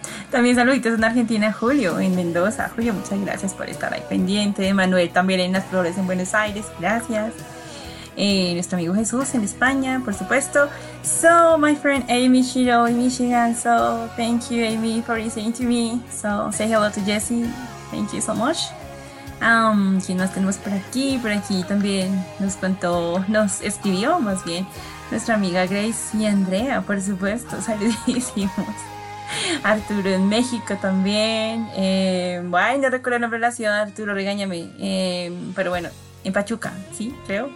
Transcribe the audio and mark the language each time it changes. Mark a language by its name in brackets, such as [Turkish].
[Spanish] También saluditos en Argentina, Julio, en Mendoza. Julio, muchas gracias por estar ahí pendiente. Manuel también en Las Flores, en Buenos Aires, gracias. Nuestro amigo Jesús en España, por supuesto. [English] So, my friend Amy Shiro in Michigan, so thank you, Amy, for listening to me. So, say hello to Jesse, thank you so much. [Spanish] ¿Quién más tenemos por aquí? Por aquí también nos contó, nos escribió más bien nuestra amiga Grace y Andrea, por supuesto, saludísimos. Arturo en México también, no recuerdo el nombre de la ciudad, Arturo, regáñame, pero bueno, en Pachuca, sí, creo.